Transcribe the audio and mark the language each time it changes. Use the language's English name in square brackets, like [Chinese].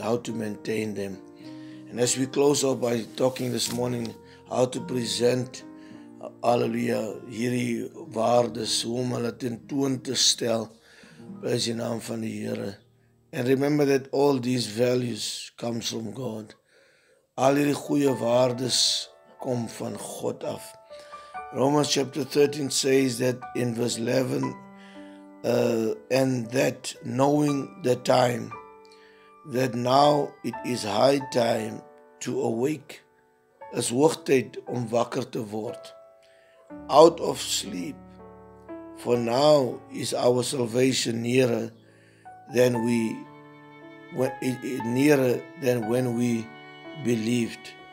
[English] How to maintain them. And as we close up by talking this morning, how to present, hallelujah, [Afrikaans] hierdie waardes, hoe om hulle tentoon te stel, prys die naam van die Here. [English] And remember that all these values comes from God. [Afrikaans] Al hierdie goeie waardes kom van God af. [English] Romans chapter 13 says that in verse 11, and that knowing the time, that now it is high time to awake, [Afrikaans] is hoog tyd om wakker te word, [English] out of sleep, for now is our salvation nearer than when we believed.